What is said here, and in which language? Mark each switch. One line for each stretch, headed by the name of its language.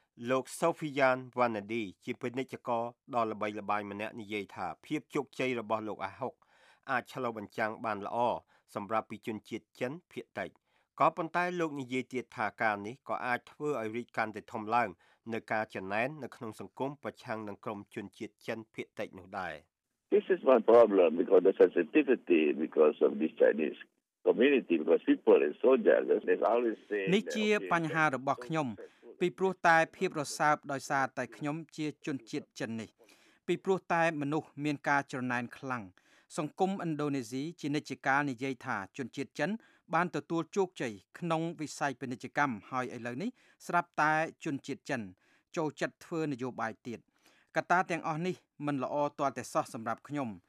Khmer: លោកសូហ្វីយ៉ានវ៉ាណាឌីជាពាណិជ្ជករដ៏ល្បីល្បាញម្នាក់និយាយថាភាពជោគជ័យរបស់លោកអាហុកអាចឆ្លុះបញ្ចាំងបានល្អសម្រាប់ពីជនជាតិចិនភាគតិចក៏ប៉ុន្តែលោកនិយាយទៀតថាការនេះក៏អាចធ្វើឲ្យរីកកាន់តែធំឡើងនៅការចំណែននៅក្នុងសង្គមប្រឆាំងនឹងក្រុមជនជាតិចិនភាគតិចនោះដែរ
English: This is my problem because the sensitivity because of this Chinese community because people are so jealous they always say
Khmer: នេះជាបញ្ហារបស់ខ្ញុំពីព្រោះតែភាពរសើបដោយសារតែខ្ញុំជាជនជាតិចិននេះពីព្រោះតែមនុស្សមានការច្រណែនខ្លាំងសង្គមឥណ្ឌូនេស៊ីជានិច្ចកាលនិយាយថាជនជាតិចិនបានទទួលជោគជ័យក្នុងវិស័យពាណិជ្ជកម្មហើយឥឡូវនេះស្រាប់តែជនជាតិចិនចូលចិត្តធ្វើនយោបាយទៀតកត្តាទាំងអស់នេះមិនល្អទាល់តែសោះសម្រាប់ខ្ញុំ